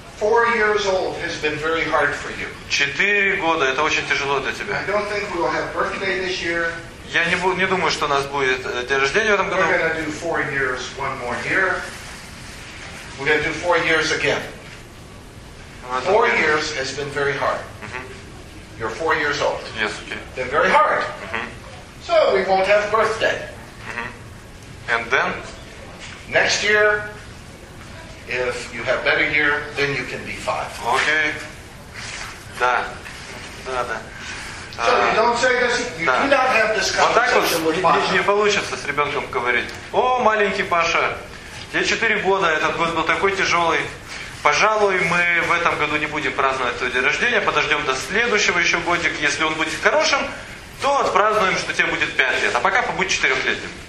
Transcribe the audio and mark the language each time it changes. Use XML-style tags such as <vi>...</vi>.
<en>4 years old has been very hard for you.</en> <ru>4 года, это очень тяжело для тебя.</ru> <en>I don't think we'll have birthday this year.</en> <ru>Я не думаю, что у нас будет день рождения в этом году.</ru> <en>We're gonna do 4 years one more year. We're gonna do 4 years again. 4 years has been very hard. Mm-hmm. You're 4 years old. Yes, okay. Been very hard. Mm-hmm. So we won't have birthday. Mm-hmm. And then? Next year. If you have better year, then you can be 5.</en> <ru>Okay. Да. Да, да.</ru> <en>So you don't say this. You да. Do not have this conversation with Паша.</en> <ru>Вот так вот не получится с ребенком говорить. О, маленький Паша, тебе 4 года, этот год был такой тяжелый. Пожалуй, мы в этом году не будем праздновать твой день рождения, подождем до следующего еще годик. Если он будет хорошим, то отпразднуем, что тебе будет 5 лет. А пока побудь 4-летним.</ru>